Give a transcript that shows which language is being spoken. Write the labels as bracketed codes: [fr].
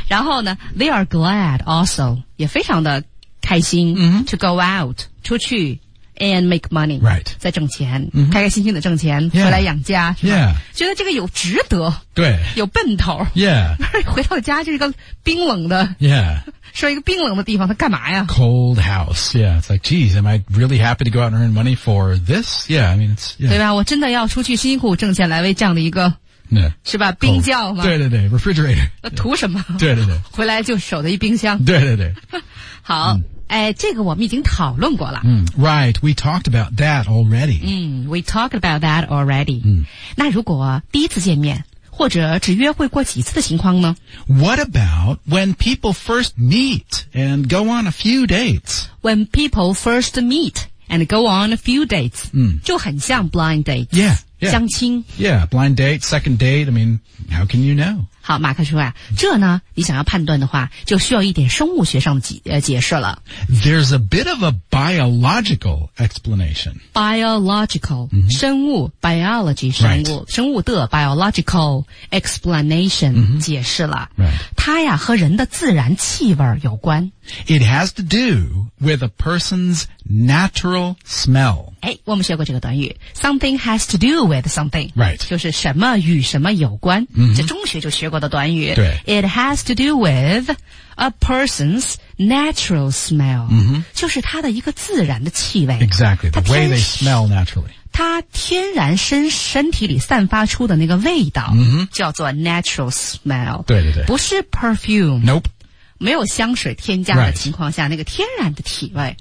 [zh] 然后呢 [en] they are glad also, [zh] 也非常的开心、 mm-hmm. [en] to go out [zh] 出去 [en] and make money right [zh] 在挣钱、 mm-hmm. 开开心心的挣钱、 [en] yeah. [zh] 回来养家是吧 [en] yeah [zh] 觉得这个有值得对有奔头 [en] yeah [zh] 回到家就是一个冰冷的 [en] yeah [zh] 说一个冰冷的地方他干嘛呀 [en] cold house yeah it's like geez am I really happy to go out and earn money for this yeah I mean it's、yeah. [zh] 对吧我真的要出去辛苦挣钱来为这样的一个 [en] yeah [zh] 是吧冰窖吗对对对 refrigerator 那图什么对对对回来就守在一冰箱对对对好、这个我们已经讨论过了、 [en] Right, we talked about that already、 We talked about that already、 [zh] 那如果第一次见面或者只约会过几次的情况呢 [en] What about when people first meet and go on a few dates When people first meet and go on a few dates、 [zh] 就很像 [en] blind dates yeah, yeah. [zh] 相亲 [en] Yeah, blind date, second date, I mean, how can you know? [zh] 好马克说啊这呢你想要判断的话就需要一点生物学上的 解释了。 [en] There's a bit of a biological explanation. Biological,、 mm-hmm. [zh] 生物 ,biology, 生物、 [en] right. [zh] 生物的 [en] biological explanation、 mm-hmm. [zh] 解释了。 [en] Right. [zh] 它呀和人的自然气味有关。 [en] It has to do with a person's natural smell. [zh] 诶我们学过这个短语。 [en] Something has to do with something. Right. [zh] 就是什么与什么有关。 Mm-hmm. 这中学就学过的短语。对。 [en] It has to do with a person's natural smell.、 Mm-hmm. [zh] 就是他的一个自然的气味。 [en] Exactly. The way they smell naturally. [zh] 他天然身体里散发出的那个味道、 mm-hmm. 叫做 natural smell. 对对对。不是 perfume. [en] Nope. [zh] 没有香水添加的情况下、 [en] right. [zh] 那个天然的体味、